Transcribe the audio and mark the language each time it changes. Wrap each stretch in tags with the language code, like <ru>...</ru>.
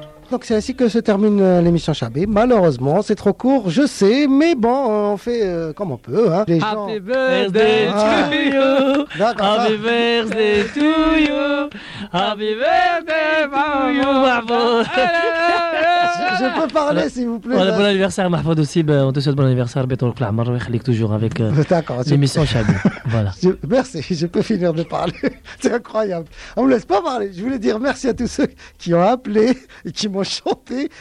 <fr>Donc c'est ainsi que se termine l'émission Chabé. Malheureusement, c'est trop court, je sais, mais bon, on fait comme on peut. Hein. Les gens...</fr> <en>Happy birthday to you, happy birthday to you, happy birthday to you, Mahfoud.</en> <fr>Je peux parler, s'il vous plaît. Voilà, bon anniversaire, Mahfoud aussi. Ben, on te souhaite bon anniversaire. Béton le clamar, je suis toujours avec l'émission Chabé. Voilà. Merci, je peux finir de parler. C'est incroyable. On ne me laisse pas parler. Je voulais dire merci à tous ceux qui ont appelé et qui m'ont chanté.</fr>